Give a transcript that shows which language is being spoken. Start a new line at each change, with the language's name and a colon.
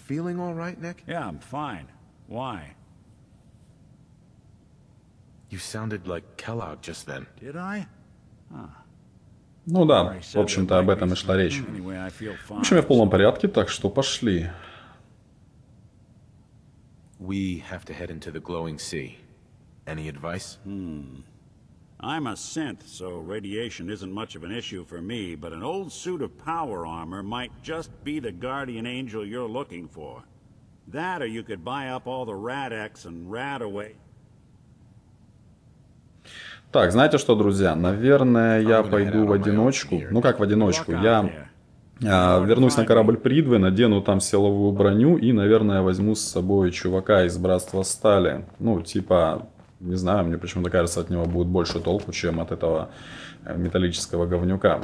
English: Feeling all right, Nick? Yeah, I'm fine. Why? You sounded like Kellogg just then. Did I?
Russian: Ну да, в общем-то, об этом и шла речь.
English: Anyway,
Russian: в общем, я в полном порядке, так что пошли.
English: We have to head into the glowing sea. Any advice? I'm a synth, so radiation isn't much of an issue for me, but an old suit of power armor might just be the guardian angel you're looking for. That or you could buy up all the Rad-X and Rad-Away.
Russian: Так, знаете что, друзья? Наверное, я пойду в одиночку. Ну как в одиночку? Я вернусь на корабль Придвы, надену там силовую броню и, наверное, возьму с собой чувака из Братства Стали. Ну, типа, не знаю, мне почему-то кажется, от него будет больше толку, чем от этого металлического говнюка.